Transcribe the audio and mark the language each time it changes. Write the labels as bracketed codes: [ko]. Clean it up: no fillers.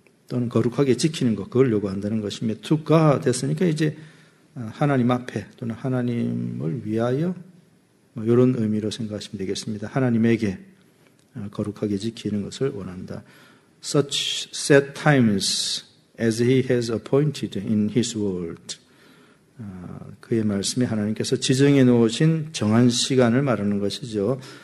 [ko] 또는 거룩하게 지키는 것, 그걸 요구한다는 것입니다. [en] To God [ko] 됐으니까 이제 하나님 앞에 또는 하나님을 위하여 이런 의미로 생각하시면 되겠습니다. 하나님에게 거룩하게 지키는 것을 원한다. [en] Such set times as he has appointed in his world. [ko] 그의 말씀이 하나님께서 지정해 놓으신 정한 시간을 말하는 것이죠.